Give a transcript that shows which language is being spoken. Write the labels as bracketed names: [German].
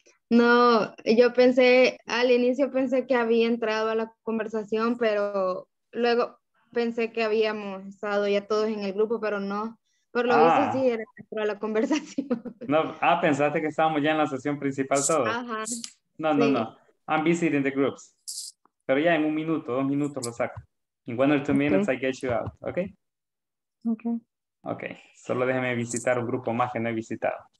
[Spanish] No, yo pensé, al inicio pensé que había entrado a la conversación, pero luego pensé que habíamos estado ya todos en el grupo, pero no. Por lo visto sí, era dentro de la conversación. No, pensaste que estábamos ya en la sesión principal todos. Ajá. No, sí. No. I'm visiting the groups. Pero ya en un minuto, dos minutos lo saco. [English] In 1 or 2 minutes, okay. I get you out, okay? Okay. [Spanish] Okay, solo déjeme visitar un grupo más que no he visitado.